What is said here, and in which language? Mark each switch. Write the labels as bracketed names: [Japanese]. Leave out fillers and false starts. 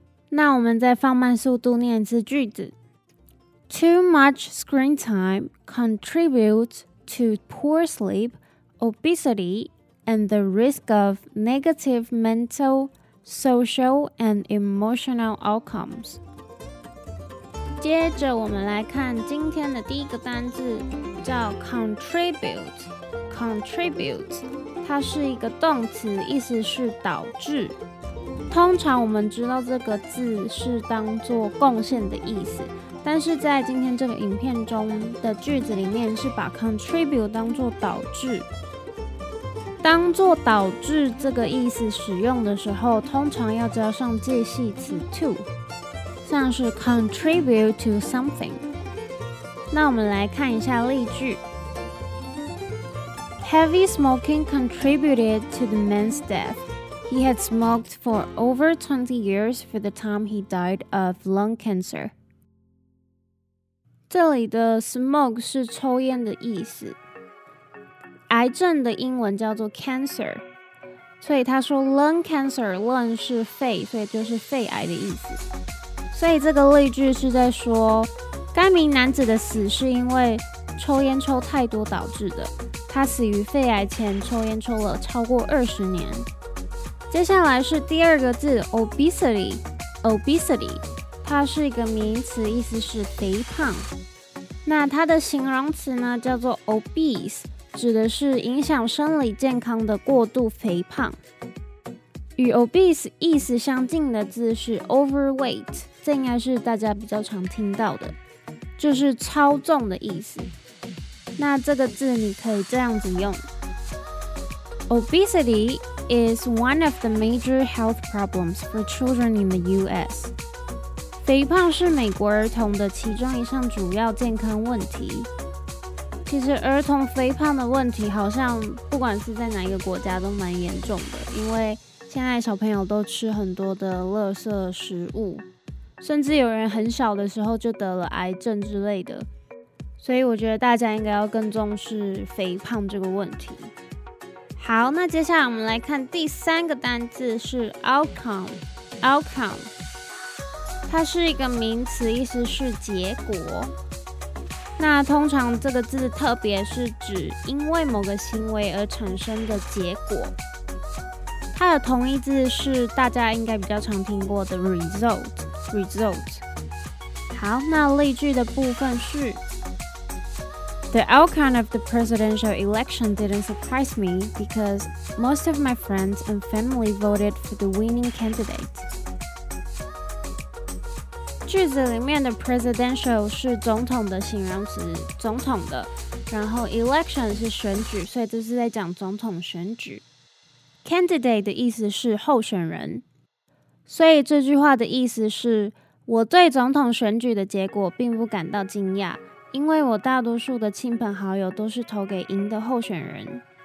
[Chinese] 那我们再放慢速度念一次句子 ： Too much screen time contributes to poor sleep。 [English] Obesity and the risk of negative mental, social, and emotional outcomes. [Chinese] 接着我们来看今天的第一个单字，叫 contribute. Contribute， 它是一个动词，意思是导致。通常我们知道这个字是当作贡献的意思，但是在今天这个影片中的句子里面是把 contribute 当作导致。当作导致这个意思使用的时候，通常要加上介系词 to， 像是 contribute to something。那我们来看一下例句 ： Heavy smoking contributed to the man's death. [English] He had smoked for over 20 years for the time he died of lung cancer. [Chinese] 这里的 smoke 是抽烟的意思。癌症的英文叫做 cancer， 所以他说 lung cancer， lung 是肺，所以就是肺癌的意思。所以这个例句是在说该名男子的死是因为抽烟抽太多导致的，他死于肺癌前抽烟抽了超过20年。接下来是第二个字 obesity， 它是一个名词，意思是肥胖。那它的形容词呢叫做 obese，指的是影响生理健康的过度肥胖。与 obese 意思相近的字是 overweight， 这应该是大家比较常听到的，就是超重的意思。 [English] 那这个字你可以这样子用 ：Obesity is one of the major health problems for children in the U.S. [Chinese] 肥胖是美国儿童的其中一项主要健康问题。其实儿童肥胖的问题好像不管是在哪一个国家都蛮严重的，因为现在小朋友都吃很多的垃圾食物，甚至有人很小的时候就得了癌症之类的，所以我觉得大家应该要更重视肥胖这个问题。好，那接下来我们来看第三个单字是 outcome， 它是一个名词，意思是结果。那通常这个字特别是指因为某个行为而产生的结果，它的同义字是大家应该比较常听过的 result。 [English] 好，那例句的部分是 The outcome of the presidential election didn't surprise me because most of my friends and family voted for the winning candidate. [Chinese] 句子里面的 presidential 是总统的形容词，总统的，然后 election 是选举，所以这是在讲总统选举。 candidate 的意思是候选人，所以这句话的意思是我对总统选举的结果并不感到惊讶，因为我大多数的亲朋好友都是投给赢的候选人。